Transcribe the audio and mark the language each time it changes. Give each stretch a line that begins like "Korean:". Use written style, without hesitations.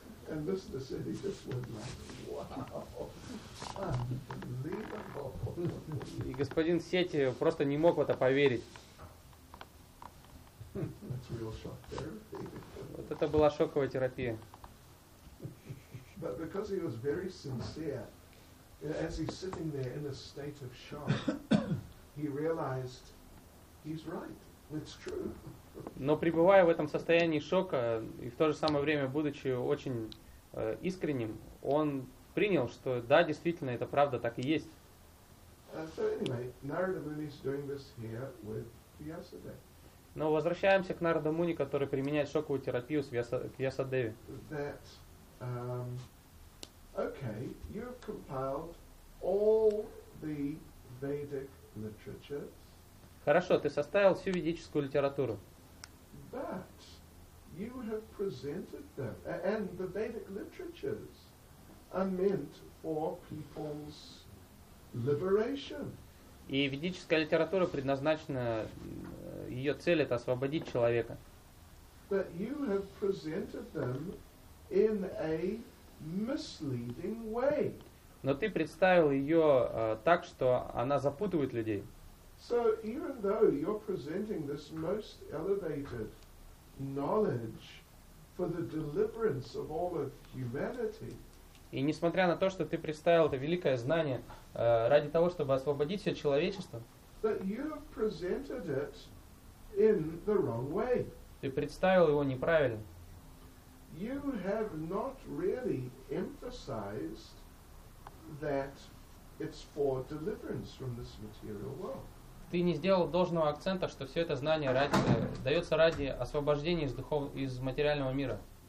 English: And Mr. Seti just went like, wow, unbelievable.
Russian: И господин Сети просто не мог в это поверить.
English: That's real shock therapy.
Russian: Вот это была шоковая терапия.
English: But because he was very sincere, as he's sitting there in a state of shock, he realized he's right. It's true.
Russian: Но пребывая в этом состоянии шока и в то же самое время будучи очень искренним, он принял, что да, действительно, это правда так и есть.
English: So anyway, Narada Muni is doing this here with Vyasadeva.
Russian: Но возвращаемся к Нарада Муни, который применяет шоковую терапию с Вьясадеве.
English: That, okay, you've compiled all the Vedic literature.
Russian: Хорошо, ты составил всю ведическую литературу.
English: But you have presented them, and the Vedic literatures are meant for people's liberation.
Russian: И ведическая литература предназначена, ее цель это освободить человека.
English: But you have presented them in a misleading way.
Russian: Но ты представил ее так, что она запутывает людей.
English: So even though you're presenting this most elevated knowledge for the deliverance of all of humanity,
Russian: и несмотря на то, что ты представил это великое знание ради того, чтобы освободить все человечество,
English: that you have presented it in the wrong way.
Russian: Ты представил его неправильно.
English: You have not really emphasized that it's for deliverance from this material world.
Russian: Ты не сделал должного акцента, что все это знание ради, дается ради освобождения из, духов, из материального мира.